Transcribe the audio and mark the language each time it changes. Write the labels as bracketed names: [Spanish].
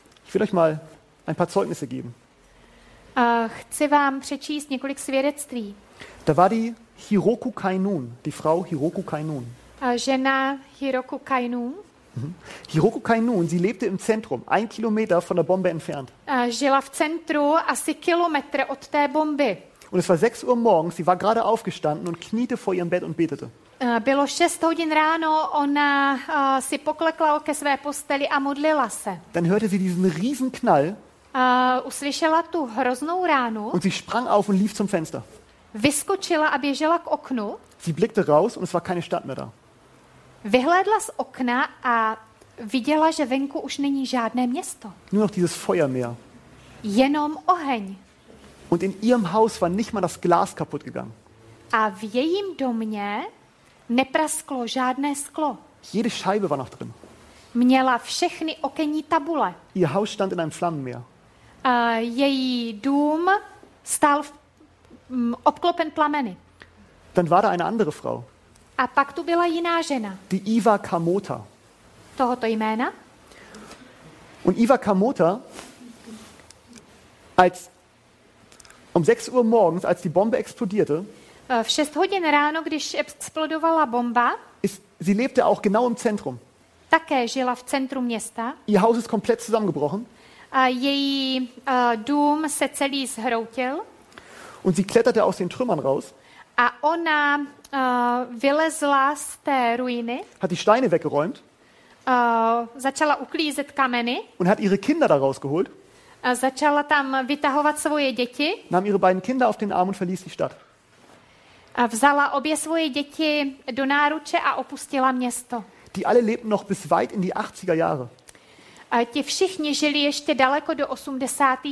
[German] Ich will euch mal ein paar Zeugnisse geben. [Czech] Chci vám přečíst několik svědectví. [German] Da war die Hiroku Kainun, die Frau Hiroku Kainun. [Czech] Žena Hiroku Kainun. [German] Hiroku Kainun, sie lebte im Zentrum, 1 Kilometer von der Bombe entfernt. [Czech] Žila v centru asi kilometr od té bomby. [German] Und es war 6 Uhr morgens, sie war gerade aufgestanden und kniete vor ihrem Bett und betete. [Czech] Bylo 6 hodin ráno, ona si poklekla ke své posteli a modlila se. [German] Dann hörte sie diesen riesen Knall. [Czech] Uslyšela tu hroznou ránu. [German] Und sie sprang auf und lief zum Fenster. [Czech] Vyskočila a běžela k oknu. [German] Sie blickte raus und es war keine Stadt mehr da. [Czech] Vyhlédla z okna a viděla, že venku už není žádné město. [German] Nur noch dieses Feuermeer. [Czech] Jenom oheň. [German] Und in ihrem Haus war nicht mal das Glas kaputt gegangen. [Czech] A v jejím domě neprasklo žádné sklo. [German] Jede Scheibe war noch drin. [Czech] Měla všechny okenní tabule. [German] Ihr Haus stand in einem Flammenmeer. [Czech] A její dům stál obklopen plameny. [German] Dann war da eine andere Frau. [Czech] A pak tu byla jiná žena. [German] Die Iva Kamota. [Czech] Tohoto jména. [German] Und Iva Kamota, als um 6 Uhr morgens, als die Bombe explodierte, [Czech] v 6 hodin ráno, když explodovala bomba, [German] sie lebte auch genau im Zentrum. [Czech] Také žila v centru města. [German] Ihr Haus ist komplett zusammengebrochen. [Czech] A její dům se celý zhroutil. [German] Und sie kletterte aus den Trümmern raus. [Czech] A ona vylezla z té ruiny. [German] Hat die Steine weggeräumt. [Czech] Začala uklízet kameny. [German] Und hat ihre Kinder da rausgeholt. [Czech] A začala tam vytahovat svoje děti. [German] Nahm ihre beiden Kinder auf den Arm und verließ die Stadt. [Czech] A vzala obě svoje děti do náruče a opustila město. [German] Die alle lebten noch bis weit in die 80er Jahre. [Czech] A ti všichni žili ještě daleko do 80.